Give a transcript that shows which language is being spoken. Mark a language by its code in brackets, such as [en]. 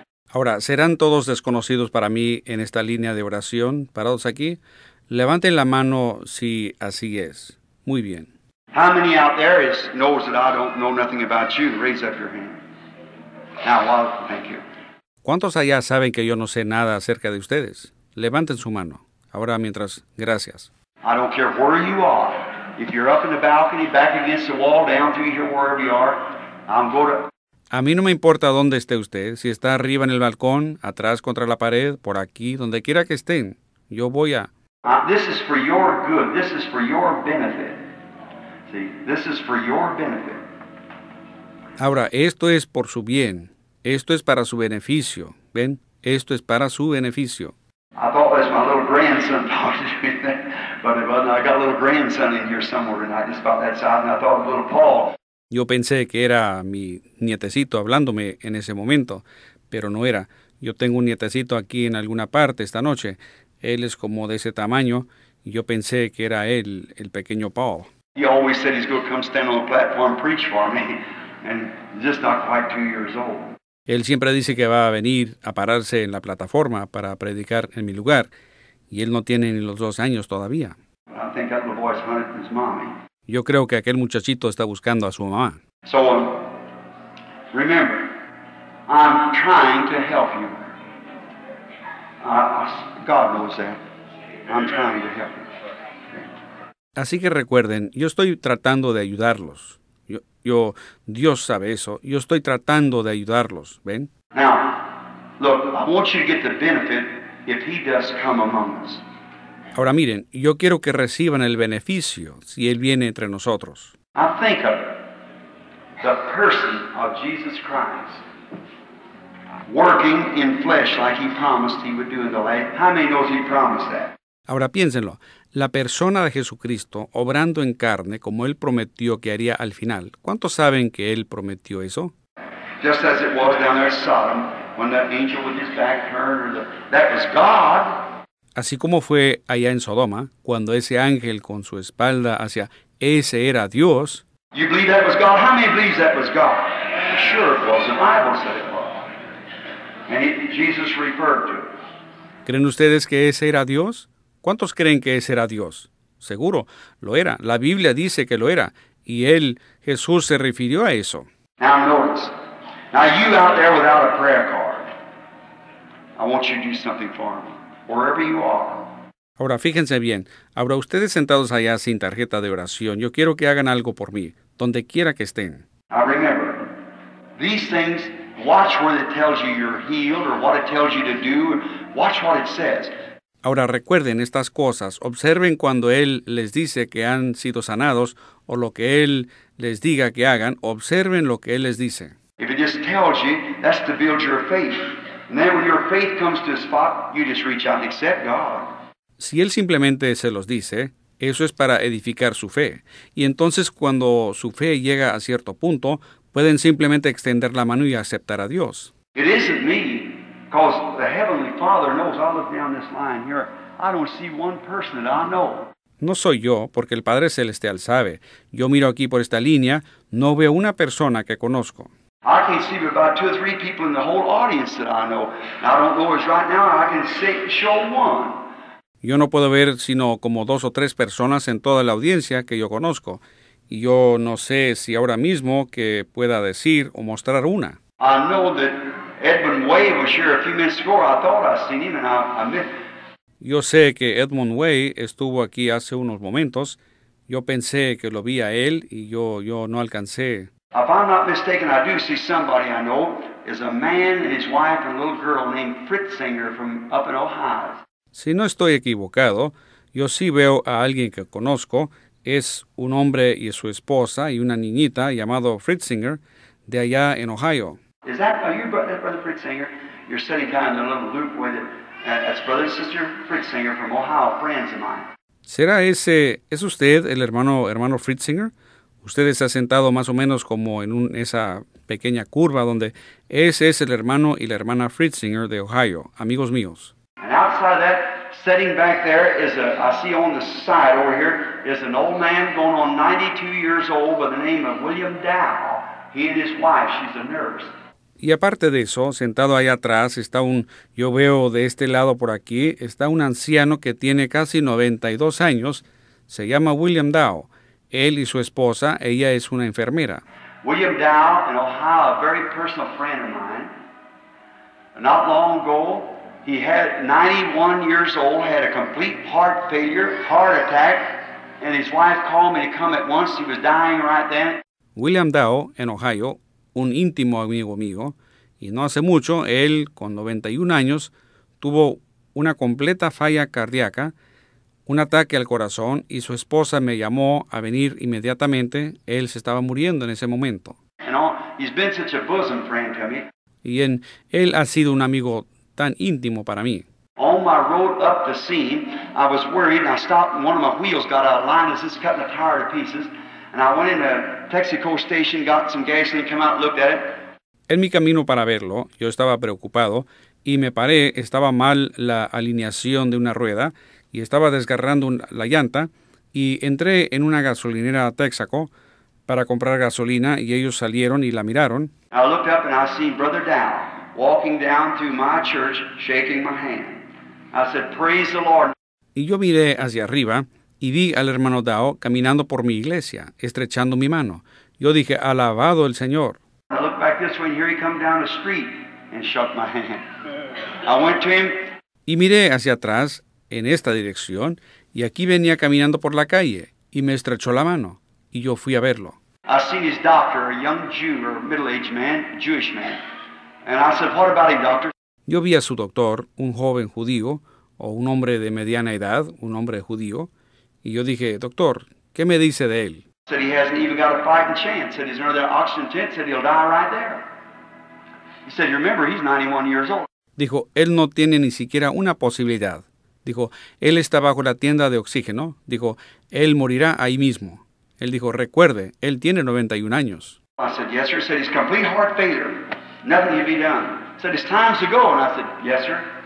[es] Ahora, ¿serán todos desconocidos para mí en esta línea de oración, parados aquí? Levanten la mano si así es. Muy bien. [en] How many out there is knows that I don't know nothing about you? Raise up your hand. Now, well, thank you. [es] ¿Cuántos allá saben que yo no sé nada acerca de ustedes? Levanten su mano. Ahora, mientras, gracias. [en] I don't care where you are. If you're up in the balcony, back against the wall, down to here, wherever you are, I'm going to... [es] A mí no me importa dónde esté usted, si está arriba en el balcón, atrás contra la pared, por aquí, donde quiera que estén, yo voy a... [en] This is for your good, this is for your benefit. See, this is for your benefit. [es] Ahora, esto es por su bien, esto es para su beneficio, ¿ven? Esto es para su beneficio. [en] I thought that was my little grandson talking to me, but it wasn't. I got a little grandson in here somewhere tonight, just about that side, and I thought of little Paul. [es] Yo pensé que era mi nietecito hablándome en ese momento, pero no era. Yo tengo un nietecito aquí en alguna parte esta noche. Él es como de ese tamaño. Yo pensé que era él, el pequeño Paul. [en] He always said he's going to come stand on the platform and preach for me, and just not quite 2 years old. [es] Él siempre dice que va a venir a pararse en la plataforma para predicar en mi lugar, y él no tiene ni los 2 años todavía. [en] I think that little boy's hunting his mommy. [es] Yo creo que aquel muchachito está buscando a su mamá. [en] So, remember, I'm trying to help you. God knows that. I'm trying to help you. Okay. [es] Así que recuerden, yo estoy tratando de ayudarlos. Yo, Dios sabe eso. Yo estoy tratando de ayudarlos, ¿ven? [en] Now, look, I want you to get the benefit if he does come among us. [es] Ahora miren, yo quiero que reciban el beneficio si Él viene entre nosotros. [en] I think of the person of Jesus Christ working in flesh like He promised He would do in the land. How many knows He promised that? [es] Ahora piénsenlo, la persona de Jesucristo obrando en carne como Él prometió que haría al final. ¿Cuántos saben que Él prometió eso? [en] Just as it was down there at Sodom, when that angel with his back turned, or the, that was God. [es] Así como fue allá en Sodoma, cuando ese ángel con su espalda hacia ese era Dios. [en] You believe that was God? How many believes that was God? Sure it was. The Bible said it was. And Jesus referred to it. [es] ¿Creen ustedes que ese era Dios? ¿Cuántos creen que ese era Dios? Seguro, lo era. La Biblia dice que lo era. Y él, Jesús, se refirió a eso. [en] Now notice. Now you out there without a prayer card, I want you to do something for me. Wherever you are. [es] Ahora, fíjense bien. Ahora, ustedes sentados allá sin tarjeta de oración, yo quiero que hagan algo por mí, donde quiera que estén. [en] Now remember, these things, watch where it tells you you're healed or what it tells you to do. Watch what it says. [es] Ahora, recuerden estas cosas. Observen cuando Él les dice que han sido sanados o lo que Él les diga que hagan. Observen lo que Él les dice. [en] If it just tells you, that's to build your faith. And then when your faith comes to a spot, you just reach out and accept God. [es] Si él simplemente se los dice, eso es para edificar su fe. Y entonces cuando su fe llega a cierto punto, pueden simplemente extender la mano y aceptar a Dios. [en] It isn't me, because the Heavenly Father knows. I look down this line here. I don't see one person that I know. [es] No soy yo, porque el Padre Celestial sabe. Yo miro aquí por esta línea, no veo una persona que conozco. [en] I can see about 2 or 3 people in the whole audience that I know. And I don't know as right now, I can show one. [es] Yo no puedo ver sino como 2 o 3 personas en toda la audiencia que yo conozco. Y yo no sé si ahora mismo que pueda decir o mostrar una. [en] I know that Edmund Way was here a few minutes ago. I thought I seen him and I missed him. [es] Yo sé que Edmund Way estuvo aquí hace unos momentos. Yo pensé que lo vi a él y yo no alcancé. [en] If I'm not mistaken, I do see somebody I know is a man and his wife and a little girl named Fritzinger from up in Ohio. [es] Si no estoy equivocado, yo sí veo a alguien que conozco. Es un hombre y su esposa y una niñita llamado Fritzinger de allá en Ohio. [en] Is that are you brother Fritzinger? You're sitting kind of in a little loop with it. That's brother and sister Fritzinger from Ohio, friends of mine. [es] ¿Será ese, es usted el hermano Fritzinger? usted está sentado más o menos como en esa pequeña curva donde ese es el hermano y la hermana Fritzinger de Ohio, amigos míos. [en] And outside that, sitting back there is I see on the side over here is an old man going on 92 years old by the name of William Dow. He and his wife, she's a nurse. [es] Y aparte de eso, sentado ahí atrás está yo veo de este lado por aquí, está un anciano que tiene casi 92 años, se llama William Dow. Él y su esposa, ella es una enfermera. [en] William Dow in Ohio, a very personal friend of mine. Not long ago, he had 91 years old, had a complete heart failure, heart attack, and his wife called me to come at once. He was dying right then. [es] William Dow en Ohio, un íntimo amigo mío, y no hace mucho, él con 91 años, tuvo una completa falla cardíaca, un ataque al corazón, y su esposa me llamó a venir inmediatamente. Él se estaba muriendo en ese momento. [en] He's been such a bosom friend to me. [es] Y él ha sido un amigo tan íntimo para mí. [en] On my road up the scene, I was worried, and I stopped, and one of my wheels got out of line, as it's cutting the tire to pieces. And I went in a Texaco station, got some gasoline, came out and looked at it. [es] En mi camino para verlo, yo estaba preocupado y me paré, estaba mal la alineación de una rueda y estaba desgarrando la llanta y entré en una gasolinera Texaco para comprar gasolina y ellos salieron y la miraron. [en] I looked up and I seen Brother Dow walking down through my church shaking my hand. I said, praise the Lord. [es] Y yo miré hacia arriba y vi al hermano Dow caminando por mi iglesia, estrechando mi mano. Yo dije, alabado el Señor. [en] I looked back this way and here he come down the street and shook my hand. I went to him. [es] Y miré hacia atrás, en esta dirección, y aquí venía caminando por la calle, y me estrechó la mano, y yo fui a verlo. [en] I seen his doctor, a young Jew, or middle-aged man, Jewish man. And I said, what about him, doctor? [es] Yo vi a su doctor, un joven judío, o un hombre de mediana edad, un hombre judío, y yo dije, doctor, ¿qué me dice de él? [en] Said he hasn't even got a fighting chance. Said he's under that oxygen tent. Said he'll die right there. He said, you remember, he's 91 years old. [es] Dijo, él no tiene ni siquiera una posibilidad. Dijo, él está bajo la tienda de oxígeno. Dijo, él morirá ahí mismo. Él dijo, recuerde, él tiene 91 años. [en] I said, yes, sir. Said he's complete heart failure. Nothing can be done. Said it's time to go. And I said, yes, sir.